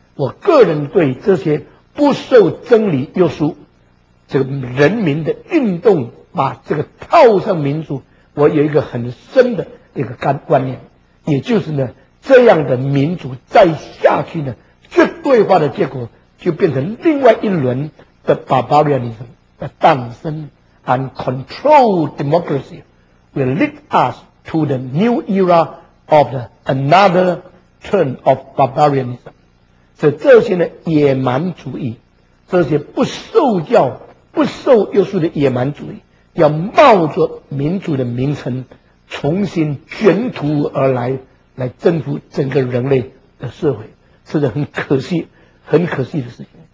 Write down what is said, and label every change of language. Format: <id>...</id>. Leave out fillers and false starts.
<zh>我个人对这些不受真理约束这个人民的运动把这个套上民主，我有一个很深的一个观念，也就是呢这样的民主再下去呢，绝对化的结果就变成另外一轮的 barbarianism 的诞生。</zh> <en>Uncontrolled democracy will lead us to the new era of the another turn of barbarianism。</en> <zh>所以这些呢野蛮主义，这些不受教不受约束的野蛮主义要冒着民主的名称重新卷土而来，来征服整个人类的社会，是很可惜很可惜的事情。</zh>